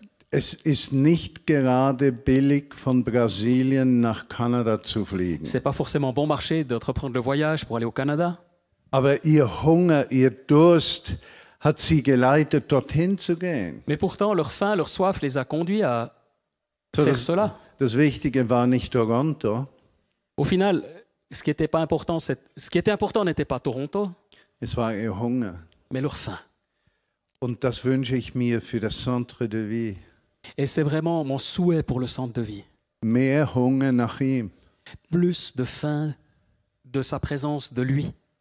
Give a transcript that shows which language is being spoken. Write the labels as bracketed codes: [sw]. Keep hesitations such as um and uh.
[de] Es ist nicht gerade billig von Brasilien nach Kanada zu fliegen. [fr] C'est pas forcément bon marché d'entreprendre de le voyage pour aller au Canada. [de] Aber ihr Hunger, ihr Durst hat sie geleitet dorthin zu gehen. [fr] Mais pourtant leur faim, leur soif les a conduits à so faire das, cela. [de] Das wichtige war nicht Toronto. [fr] Au final, ce qui était pas important, ce qui était important n'était pas Toronto. [de] Es war ihr Hunger. [fr] Mais leur faim. [de] Und das wünsche ich mir für das Centre de Vie. [fr] Et c'est vraiment mon souhait pour le centre de vie. [de] Mehr nach ihm. [fr] Plus de faim de sa présence, de lui.